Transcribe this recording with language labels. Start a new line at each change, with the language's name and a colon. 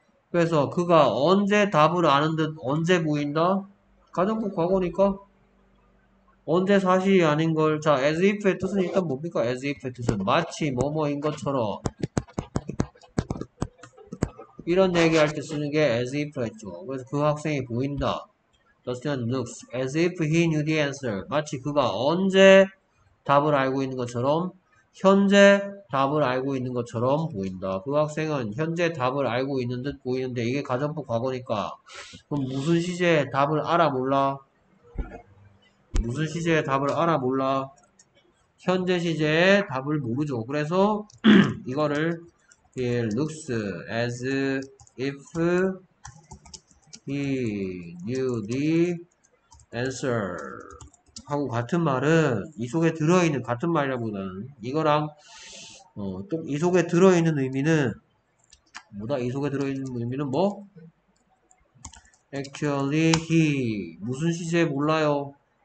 Korean: 그래서 그가 언제 답을 아는 듯 언제 보인다? 가정법 과거니까. 언제 사실이 아닌 걸. 자, as if의 뜻은 일단 뭡니까? As if의 뜻은 마치 뭐뭐인 것처럼. 이런 얘기할 때 쓰는 게 as if 했죠. 그래서 그 학생이 보인다.
English: The student looks as if he knew the answer.
Korean: 마치 그가 언제 답을 알고 있는 것처럼, 현재 답을 알고 있는 것처럼 보인다. 그 학생은 현재 답을 알고 있는 듯 보이는데, 이게 가정법 과거니까. 그럼 무슨 시제에 답을 알아 몰라? 무슨 시제에 답을 알아 몰라? 현재 시제에 답을 모르죠. 그래서 이거를
English: He looks as if he knew the answer.
Korean: 하고 같은 말은 이 속에 들어있는, 같은 말이라기보다는 이거랑 좀이 속에 들어있는 의미는 뭐다? 이 속에 들어있는 의미는 뭐?
English: Actually, he.
Korean: 무슨 시제 몰라요?